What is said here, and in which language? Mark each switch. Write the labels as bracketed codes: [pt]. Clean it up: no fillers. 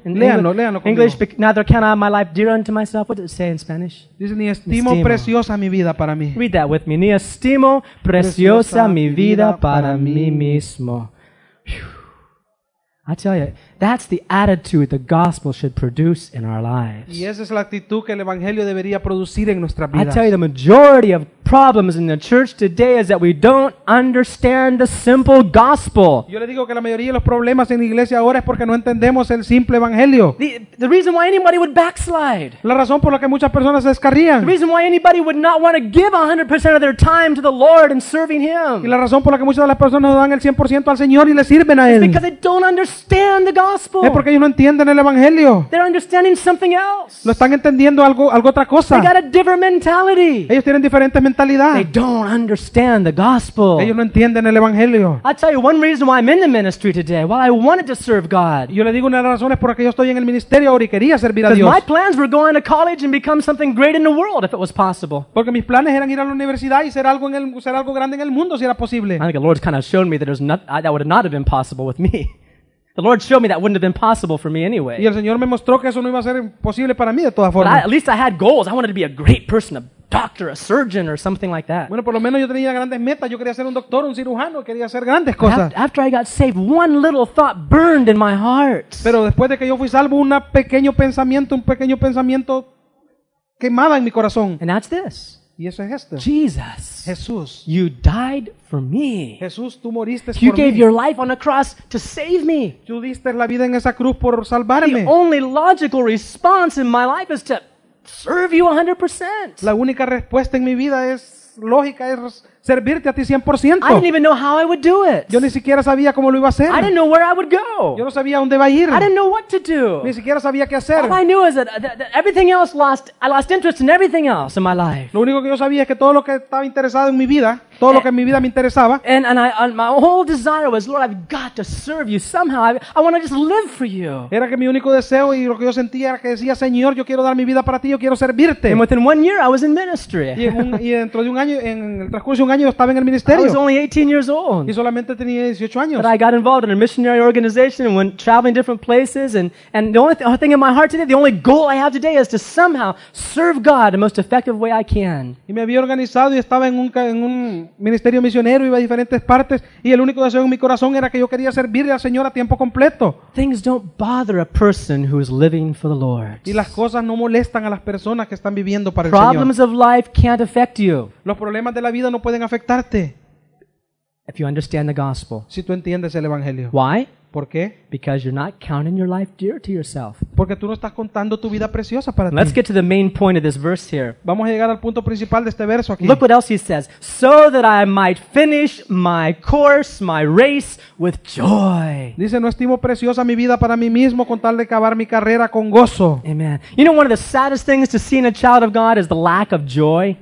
[es] Léanlo conmigo. [en] English, neither can I my life dear unto myself. What does it say in Spanish? [es] Dice, ni estimo preciosa mi vida para mí. [en] Read that with me. [es] Ni estimo preciosa mi vida para mí mismo. Whew. [en] I tell you, that's the attitude the gospel should produce in our lives. [es] Y esa es la actitud que el evangelio debería producir en nuestras vidas. [en] I tell you, the majority of problems in the church today is that we don't understand the simple gospel. [es] Yo le digo que la mayoría de los problemas en la iglesia ahora es porque no entendemos el simple evangelio. [en] The reason why anybody would backslide. [es] La razón por la que muchas personas se descarrían. [en] The reason why anybody would not want to give 100% of their time to the Lord and serving Him. [es] Y la razón por la que muchas de las personas no dan el 100% al Señor y le sirven a Él. [en] It's because they don't understand the gospel. [es] Es porque ellos no entienden el evangelio. [en] They're understanding something else. [es] Lo están entendiendo algo otra cosa. [en] They got a different mentality. [es] Ellos tienen diferentes mentalidad. [en] They don't understand the gospel. [es] Ellos no entienden el evangelio. [en] I'll tell you one reason why I'm in the ministry today. Well, I wanted to serve God. [es] Yo le digo una de las razones por las que yo estoy en el ministerio ahora y quería servir a Dios. [en] Because my plans were going to college and become something great in the world if it was possible. [es] Porque mis planes eran ir a la universidad y ser algo grande en el mundo si era posible. [en] I think the Lord's kind of shown me that that would not have been possible with me. The Lord showed me that wouldn't have been possible for me anyway. [es] Y el Señor me mostró que eso no iba a ser imposible para mí de todas formas. [en] But at least I had goals. I wanted to be a great person, a doctor, a surgeon, or something like that. [es] Bueno, por lo menos yo tenía grandes metas. Yo quería ser un doctor, un cirujano. Quería hacer grandes cosas. [en] After I got saved, one little thought burned in my heart. [es] Pero después de que yo fui salvo, un pequeño pensamiento quemaba en mi corazón. [en] And that's this. [es] Y eso es esto. [en] Jesus. [es] Jesús. [en] You died for me. [es] Jesús, tú moriste por mí. [en] You gave your life on a cross to save me. [es] Tú diste la vida en esa cruz por salvarme. [en] The only logical response in my life is to serve you 100%. [es] La única respuesta en mi vida es lógica, es servirte a ti 100%. [en] I didn't even know how I would do it. [es] Yo ni siquiera sabía cómo lo iba a hacer. [en] I didn't know where I would go. [es] Yo no sabía dónde iba a ir. [en] I didn't know what to do. [es] Ni siquiera sabía qué hacer. [en] All I knew is that everything else I lost interest in everything else in my life. [es] Lo único que yo sabía es que todo lo que estaba interesado en mi vida, todo lo que en mi vida me interesaba. [en] And my whole desire was, Lord, I've got to serve you somehow. I want to just live for you. [es] Era que mi único deseo y lo que yo sentía era que decía, Señor, yo quiero dar mi vida para ti, yo quiero servirte. [en] And within 1 year, I was in ministry. [es] Y dentro de un año, en el transcurso de un año, yo estaba en el ministerio. [en] I was only 18 years old. [es] Y solamente tenía 18 años. [en] But I got involved in a missionary organization and went traveling different places. And the only thing in my heart today, the only goal I have today is to somehow serve God the most effective way I can. [es] Y me había organizado y estaba en un ministerio misionero, iba a diferentes partes y el único deseo en mi corazón era que yo quería servirle al Señor a tiempo completo. [en] Things don't bother a person who is living for the Lord. [es] Y las cosas no molestan a las personas que están viviendo para [en] problems [es] el Señor. [en] Of life can't affect you. [es] Los problemas de la vida no pueden afectarte. [en] If you understand the gospel. [es] Si tú entiendes el evangelio. [en] Why? [es] ¿Por qué? [en] Because you're not counting your life dear to yourself. [es] Porque tú no estás contando tu vida preciosa para ti. [en] Let's get to the main point of this verse here. [es] Vamos a llegar al punto principal de este verso aquí. [en] Look what else he says. So that I might finish my course, my race with joy. [es] Dice, no estimo preciosa mi vida para mí mismo con tal de acabar mi carrera con gozo. [en] Amen. You know, one of the saddest things to see in a child of God is the lack of joy.